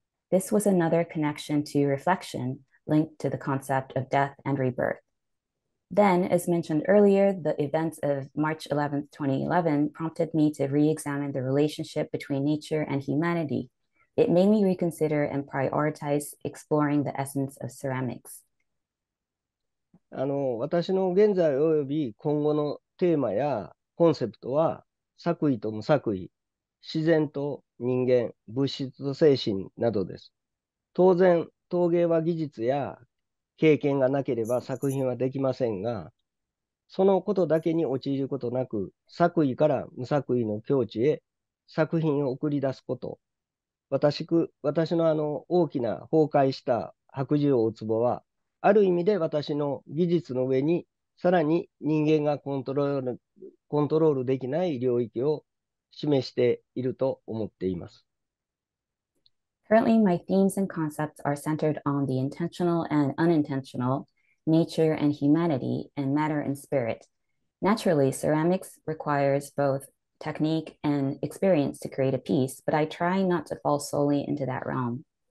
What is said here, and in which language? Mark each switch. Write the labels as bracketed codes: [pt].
[en] This was another connection to reflection linked to the concept of death and rebirth. Then, as mentioned earlier, the events of March 11, 2011 prompted me to re-examine the relationship between nature and humanity. It made me reconsider and prioritize exploring the essence of ceramics. [ja] 私の現在及び今後のテーマやコンセプトは、作為と無作為、自然と人間、物質と精神などです。当然、陶芸は技術や経験がなければ作品はできませんが、そのことだけに陥ることなく、作為から無作為の境地へ作品を送り出すこと。私の大きな崩壊した白磁大壺は、ある意味で私の技術の上にさらに人間がコントロールできない領域を示していると思っています。 [en] Currently, my themes and concepts are centered on the intentional and unintentional, nature and humanity, and matter and spirit. Naturally, ceramics requires both technique and experience to create a piece, but I try not to fall solely into that realm.